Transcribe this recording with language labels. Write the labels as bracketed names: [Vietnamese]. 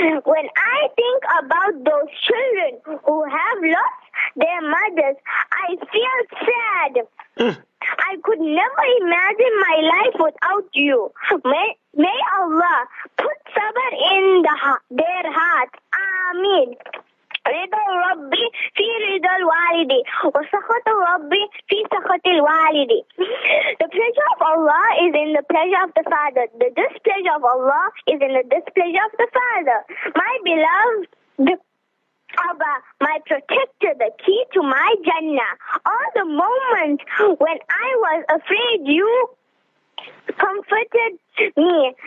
[English] When I think about those children who have lost their mothers, I feel sad. I could never imagine my life without you. May Allah put sabr in their hearts. Ameen. [Arabic] رضا ربي في رضا الوالدي وسخط ربي في سخط الوالدي. [English] The pleasure of Allah is in the pleasure of the father. The displeasure of Allah is in the displeasure of the father. My beloved Abba, my protector, the key to my Jannah. All the moments when I was afraid, you comforted me.